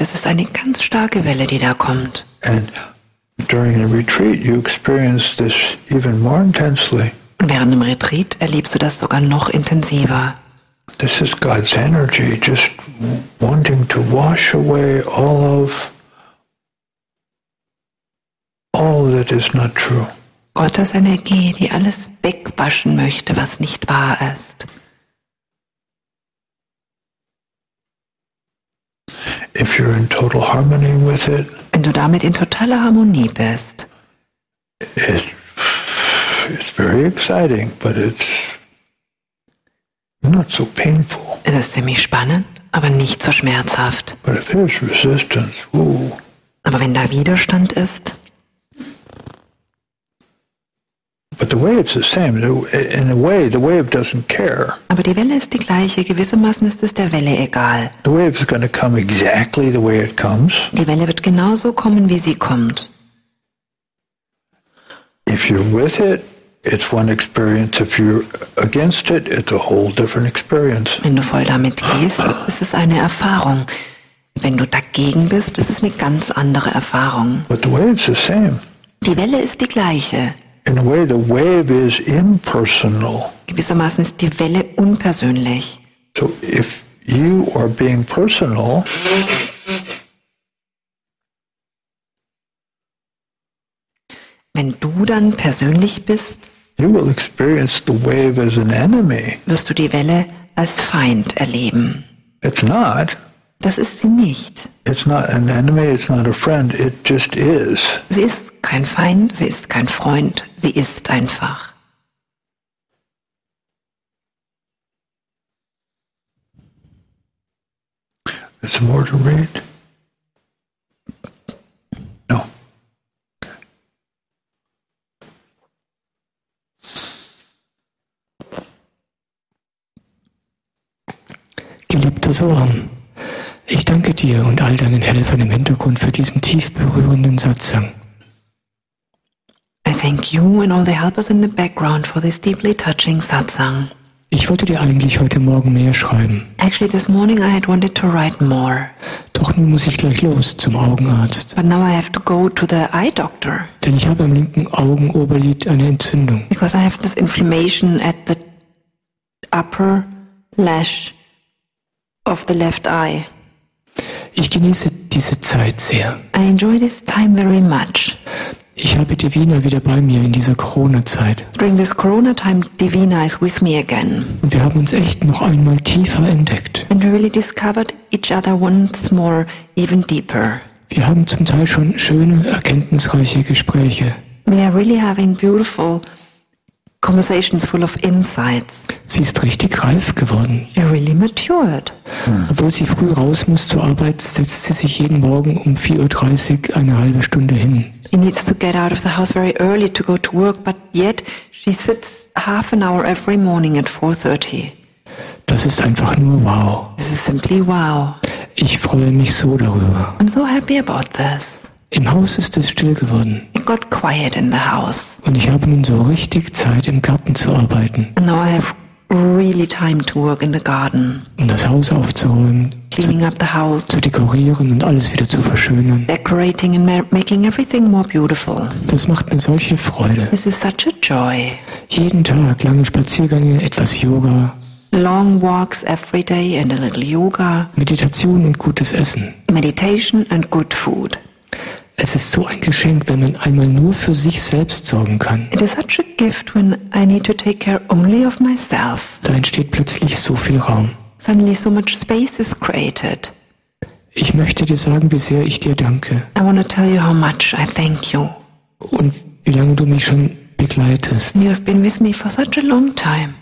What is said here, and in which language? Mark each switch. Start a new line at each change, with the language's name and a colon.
German: Es ist eine ganz starke Welle, die da kommt.
English: And during the retreat, you experience this even more intensely.
German: Während dem Retreat erlebst du das sogar noch intensiver.
English: This is God's energy, just wanting to wash away all that is not true.
German: Gottes Energie, die alles wegwaschen möchte, was nicht wahr ist.
English: If you're in total harmony with it,
German: wenn du damit in totaler Harmonie bist,
English: it's very exciting, but it's not so painful.
German: Es ist ziemlich spannend, aber nicht so schmerzhaft.
English: But if there's resistance, ooh.
German: Aber wenn da Widerstand ist,
English: But the wave is the same. In a way, the wave doesn't care.
German: Aber die Welle ist die gleiche. Gewissermaßen ist es der Welle egal.
English: The wave is going to come exactly the way it comes.
German: Die Welle wird genauso kommen, wie sie kommt.
English: If you're with it, it's one experience. If you're against it, it's a whole different experience.
German: Wenn du voll damit gehst, ist es eine Erfahrung. Wenn du dagegen bist, ist es eine ganz andere Erfahrung.
English: But the wave is the same.
German: Die Welle ist die gleiche.
English: In a way, the wave is impersonal.
German: Gewissermaßen ist die Welle unpersönlich.
English: So if you are being personal,
German: wenn du dann persönlich bist,
English: you will experience the wave as an enemy.
German: Wirst du die Welle als Feind erleben.
English: It's not.
German: Das ist sie nicht.
English: It's not an enemy, it's not a friend, it just is.
German: Sie ist kein Feind, sie ist kein Freund, sie ist einfach.
English: Is there more to read? No.
German: Geliebter Sohn, ich danke dir und all deinen Helfern im Hintergrund für diesen tief berührenden Satsang.
English: I thank you and all the helpers in the background for this deeply touching satsang.
German: Ich wollte dir eigentlich heute Morgen mehr schreiben.
English: Actually, this morning I had wanted to write more.
German: Doch nun muss ich gleich los zum Augenarzt.
English: But now I have to go to the eye doctor.
German: Denn ich habe am linken Augenoberlid eine Entzündung.
English: Because I have this inflammation at the upper lash of the left eye.
German: Ich genieße diese Zeit sehr.
English: I enjoy this time very much.
German: Ich habe Divina wieder bei mir in dieser Corona-Zeit.
English: During this Corona time, Divina is with me again.
German: Und wir haben uns echt noch einmal tiefer entdeckt.
English: And we really discovered each other once more even deeper.
German: Wir haben zum Teil schon schöne, erkenntnisreiche Gespräche.
English: We are really having beautiful conversations full of insights.
German: Sie ist richtig reif geworden.
English: She really matured.
German: Obwohl sie früh raus muss zur Arbeit, setzt sie sich jeden Morgen um 4.30 Uhr eine halbe Stunde hin.
English: She needs to get out of the house very early to go to work, but yet she sits half an hour every morning at 4:30.
German: Das ist einfach nur wow.
English: This is simply wow.
German: Ich freue mich so darüber.
English: I'm so happy about this.
German: Im Haus ist es still geworden.
English: It got quiet in the house.
German: Und ich habe nun so richtig Zeit, im Garten zu arbeiten.
English: And now I have really time to work in the garden.
German: Um das Haus aufzuräumen,
English: cleaning up the house,
German: zu dekorieren und alles wieder zu verschönern.
English: Decorating and making everything more beautiful.
German: Das macht mir solche Freude.
English: This is such a joy.
German: Jeden Tag lange Spaziergänge, etwas Yoga.
English: Long walks every day and a little yoga.
German: Meditation und gutes Essen.
English: Meditation and good food.
German: Es ist so ein Geschenk, wenn man einmal nur für sich selbst sorgen kann.
English: It is such a gift when I need to take care only of myself.
German: Da entsteht plötzlich so viel Raum.
English: Suddenly so much space is created.
German: Ich möchte dir sagen, wie sehr ich dir danke.
English: I want to tell you how much I thank you.
German: Und wie lange du mich schon begleitest.
English: You have been with me for such a long time.